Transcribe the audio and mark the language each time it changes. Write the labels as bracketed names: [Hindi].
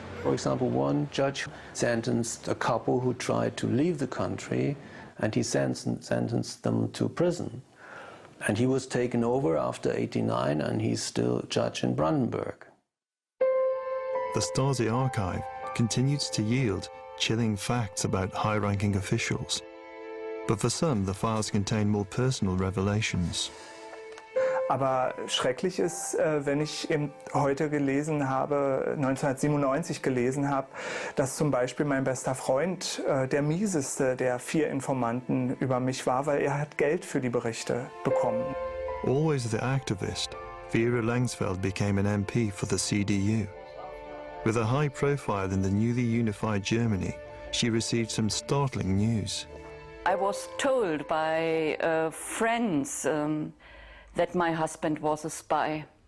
[English] For example, one judge sentenced a couple who tried to leave the country, and he sentenced them to prison. And he was taken over after 89, and he's still judge in Brandenburg. the Stasi archive continued to yield chilling facts about high-ranking officials. But for some, the files contain more personal revelations. [German] Aber schrecklich ist, wenn ich eben heute gelesen habe, 1997 gelesen habe, dass zum Beispiel mein bester Freund der mieseste der vier Informanten über mich war, weil er hat Geld für die Berichte bekommen. [English] Always the activist, Vera Langsfeld became an MP for the CDU. With a high profile in the newly unified Germany, she received some startling news. I was told by friends that my husband was a spy.